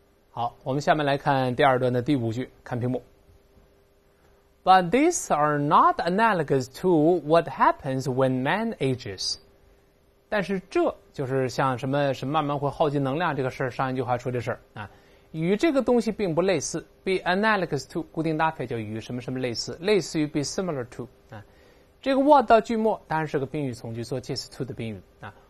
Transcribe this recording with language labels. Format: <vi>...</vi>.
<zh>好，我们下面来看第二段的第五句，看屏幕。</zh> <en>But these are not analogous to what happens when man ages.</en> <zh>但是这就是像什么什么慢慢会耗尽能量这个事儿，上一句话说这事儿啊，与这个东西并不类似。</zh> <en>Be analogous to</en> <zh>固定搭配叫与什么什么类似，类似于</zh> <en>be similar to</en> <zh>啊。这个 what 到句末当然是个宾语从句，做介词 to 的宾语啊。</zh>